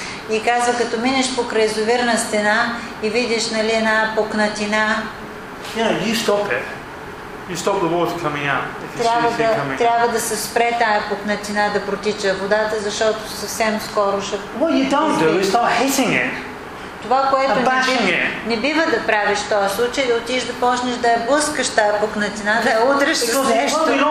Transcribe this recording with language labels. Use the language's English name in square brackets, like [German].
[Bulgarian] И казва, като минеш покрай язовирна стена и видиш, нали, една пукнатина. [English] You stop the water coming out. [Bulgarian] Трябва да се спре тая пукнатина да протича водата, защото съвсем скоро ще. [English] What you don't do is start hitting it. [Bulgarian] Това, което не бива да правиш в този случай, да отиш да почнеш да я блъскаш тая пукнатина, да я удреш с нещо.